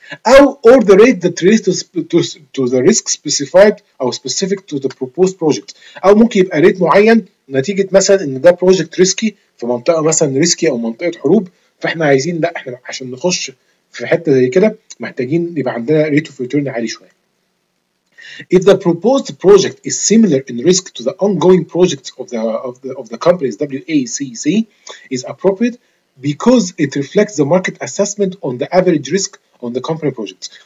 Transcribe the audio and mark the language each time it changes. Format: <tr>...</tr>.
<en>أو or the rate that relates to the risk specified or specific to the proposed project.</en> <ar>أو ممكن يبقى rate معين نتيجة مثلا إن ده project risky في منطقة مثلا risky أو منطقة حروب، فإحنا عايزين، لأ إحنا عشان نخش في حتة زي كده محتاجين يبقى عندنا rate of return عالي شوية.</ar> <en>If the proposed project is similar in risk to the ongoing projects of the companies WACC is appropriate because it reflects the market assessment on the average risk on the company projects.</en>